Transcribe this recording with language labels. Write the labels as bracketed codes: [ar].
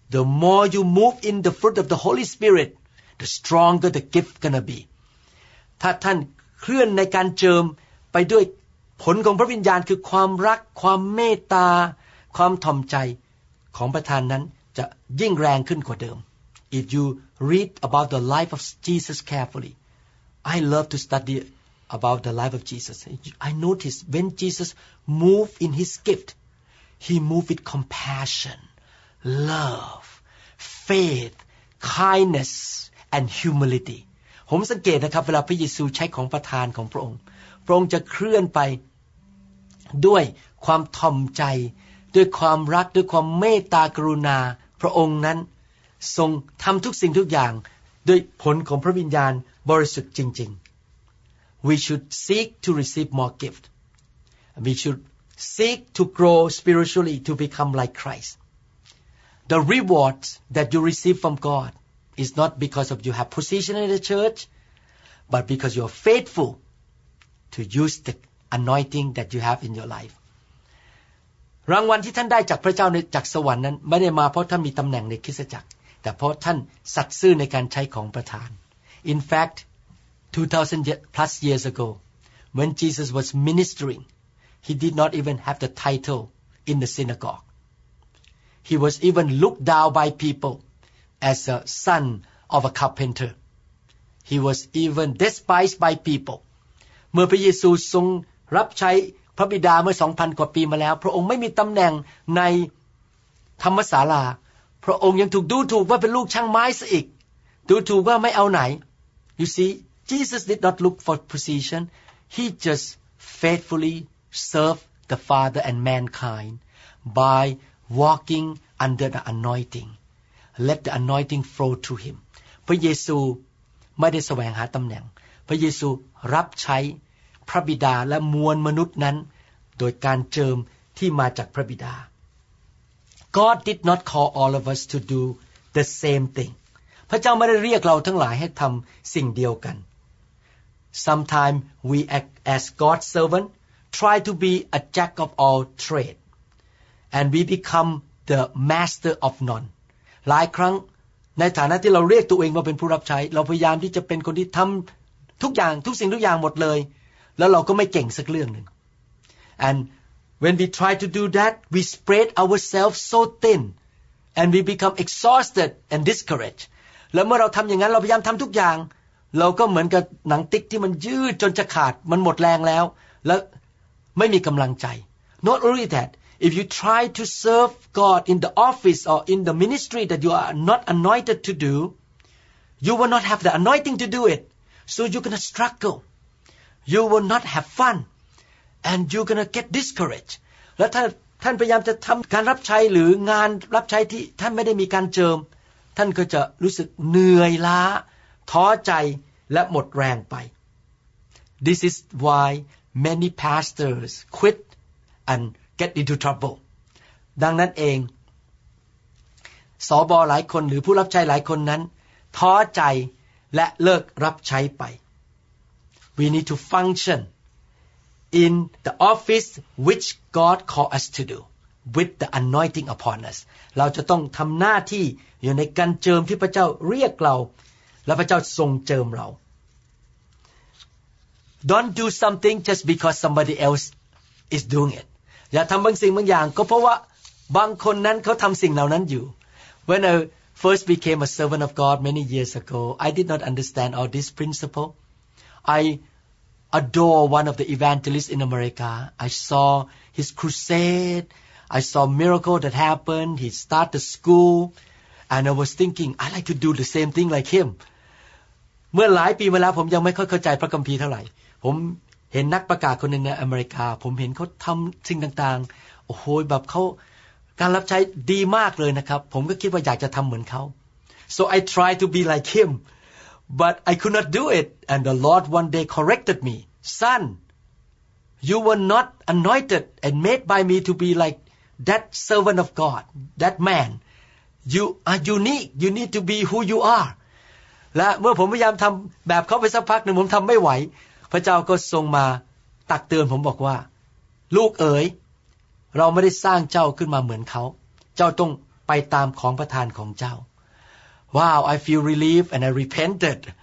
[en] the more you move in the fruit of the Holy Spirit, the stronger the gift gonna be. [th] ถ้าท่านเคลื่อนในการเจิมไปด้วยผลของพระวิญญาณคือความรักความเมตตาความถ่อมใจของประธานนั้นจะยิ่งแรงขึ้นกว่าเดิม [en] If you read about the life of Jesus carefully, I love to study about the life of Jesus. I noticed when Jesus moved in his gift, he moved with compassion, love, faith, kindness, and humility. [th] ผมสังเกตนะครับเวลาพระเยซูใช้ของประทานของพระองค์พระองค์จะเคลื่อนไปด้วยความถ่อมใจด้วยความรักด้วยความเมตตากรุณาพระองค์นั้นทรงทำทุกสิ่งทุกอย่างด้วยผลของพระวิญญาณบริสุทธิ์จริง [en] ๆ We should seek to receive more gift. We should seek to grow spiritually to become like Christ. The rewards that you receive from God is not because of you have position in the church, but because you are faithful to use the anointing that you have in your life. [th] รางวัลที่ท่านได้จากพระเจ้าในจากสวรรค์นั้นไม่ได้มาเพราะท่านมีตำแหน่งในคริสตจักรแต่เพราะท่านสัตย์ซื่อในการใช้ของประทาน [en] In fact 2000 plus years ago when Jesus was ministering he did not even have the title in the synagogue he was even looked down by people as a son of a carpenter he was even despised by people [th] เมื่อพระเยซูทรงรับใช้พระบิดาเมื่อ 2,000 กว่าปีมาแล้วพระองค์ไม่มีตำแหน่งในธรรมศาลาพระองค์ยังถูกดูถูกว่าเป็นลูกช่างไม้ซะอีกดูถูกว่าไม่เอาไหน [en] You see Jesus did not look for position he just faithfully served the father and mankind by walking under the anointing let the anointing flow to him [th] พระเยซูไม่ได้แสวงหาตำแหน่งพระเยซูรับใช้พระบิดาและมวลมนุษย์นั้นโดยการเจิมที่มาจากพระบิดา [en] God did not call all of us to do the same thing [th] พระเจ้าไม่ได้เรียกเราทั้งหลายให้ทำสิ่งเดียวกัน [en] Sometimes we act as God's servant try to be a jack of all trade and we become the master of none [th] หลายครั้งในฐานะที่เราเรียกตัวเองว่าเป็นผู้รับใช้เราพยายามที่จะเป็นคนที่ทำทุกอย่างทุกสิ่งทุกอย่างหมดเลยแล้วเราก็ไม่เก่งสักเรื่องนึง [en] and when we try to do that we spread ourselves so thin and we become exhausted and discouraged [th] แล้วเมื่อเราทำอย่างนั้นเราพยายามทำทุกอย่างเราก็เหมือนกับหนังติ๊กที่มันยืดจนจะขาดมันหมดแรงแล้วแล้วไม่มีกำลังใจ [en] not only that if you try to serve God in the office or in the ministry that you are not anointed to do you will not have the anointing to do it so you're gonna struggleYou will not have fun, and you're gonna get discouraged. [th] และท่านพยายามจะทำการรับใช้หรืองานรับใช้ที่ท่านไม่ได้มีการเจิมท่านก็จะรู้สึกเหนื่อยล้าท้อใจและหมดแรงไป [en] This is why many pastors quit and get into trouble. [th] ดังนั้นเองสอบอหลายคนหรือผู้รับใช้หลายคนนั้นท้อใจและเลิกรับใช้ไป [en] We need to function in the office which God called us to do with the anointing upon us. [th] เราจะต้องทำหน้าที่อยู่ในการเจิมที่พระเจ้าเรียกเราและพระเจ้าทรงเจิมเรา [en] Don't do something just because somebody else is doing it. [th] อย่าทำบางสิ่งบางอย่างก็เพราะว่าบางคนนั้นเขาทำสิ่งเหล่านั้นอยู่ [en] When I first became a servant of God many years ago, I did not understand all this principle. I adore one of the evangelists in America. I saw his crusade. I saw miracle that happened. He started school. And I was thinking, I'd like to do the same thing like him. [th] เมื่อหลายปีมาแล้วผมยังไม่ค่อยเข้าใจพระคัมภีร์เท่าไหร่ผมเห็นนักประกาศคนนึงในอเมริกาผมเห็นเขาทำสิ่งต่างๆโอ้โหแบบเขาการรับใช้ดีมากเลยนะครับผมก็คิดว่าอยากจะทำเหมือนเขา [en] So I tried to be like him. But I could not do it, and the Lord one day corrected me. Son, you were not anointed and made by me to be like that servant of God, that man. You are unique. You need to be who you are. [th] และเมื่อผมพยายามทำแบบเขาไปสักพักหนึ่งผมทำไม่ไหวพระเจ้าก็ทรงมาตักเตือนผมบอกว่าลูกเอ๋ยเราไม่ได้สร้างเจ้าขึ้นมาเหมือนเขาเจ้าต้อง ไปตามของประทานของเจ้า [en] Wow, I feel relief and I repented.